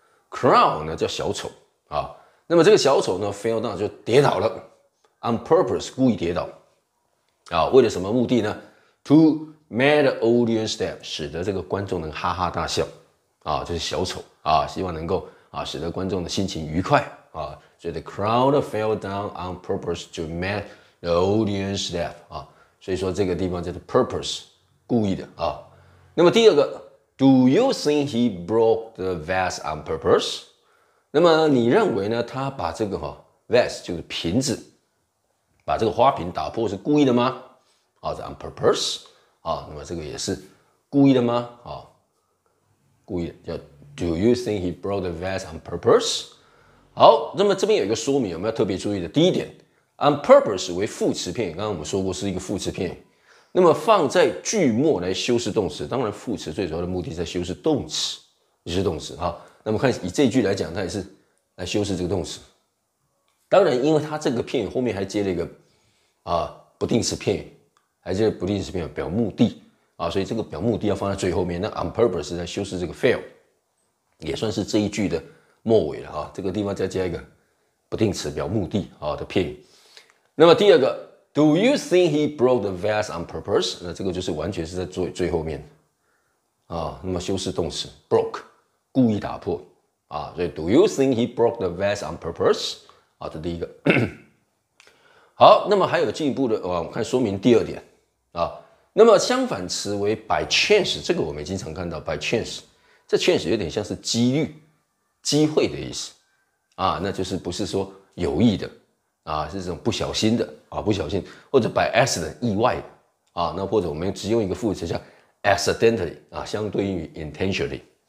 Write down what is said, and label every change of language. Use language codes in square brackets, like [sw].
[zh] Crowd 呢叫小丑啊，那么这个小丑呢 [en] fell down [zh] 就跌倒了 ， [en] on purpose [zh] 故意跌倒啊，为了什么目的呢 ？ [en] To make the audience laugh， [zh] 使得这个观众能哈哈大笑。啊，就是小丑啊，希望能够啊，使得观众的心情愉快啊。所以 [en] the crowd fell down on purpose to make the audience laugh 啊。 [zh] 所以说这个地方叫做 purpose， 故意的啊。那么第二个 [en] ，Do you think he broke the vase on purpose？ [zh] 那么你认为呢？他把这个哈、vase 就是瓶子，把这个花瓶打破是故意的吗？啊，是 [en] on purpose [zh] 啊。那么这个也是故意的吗？啊？故意的叫 [en] Do you think he broke the vase on purpose？ [zh] 好，那么这边有一个说明，我们要特别注意的。第一点 ， [en] on purpose [zh] 为副词片语，刚刚我们说过是一个副词片语。那么放在句末来修饰动词，当然副词最主要的目的是在修饰动词，就是动词哈。那么看以这句来讲，它也是来修饰这个动词。当然，因为它这个片语后面还接了一个啊不定式片语，还接了不定式片语表目的。啊，所以这个表目的要放在最后面。那 [en] on purpose [zh] 在修饰这个 fail， 也算是这一句的末尾了啊。这个地方再加一个不定词表目的啊的片语。那么第二个 [en] ，Do you think he broke the vase on purpose？ [zh] 那这个就是完全是在最后面啊。那么修饰动词 broke， 故意打破啊。所以 [en] Do you think he broke the vase on purpose？ [zh] 啊，这第一个好，那么还有进一步的啊，我看说明第二点啊。那么相反词为 [en] by chance， [zh] 这个我们经常看到 by chance， 这 chance 有点像是机率、机会的意思啊，那就是不是说有意的啊，是这种不小心的啊，不小心或者 [en] by accident [zh] 意外的啊，那或者我们只用一个副词叫 accidentally 啊，相对于 intentionally，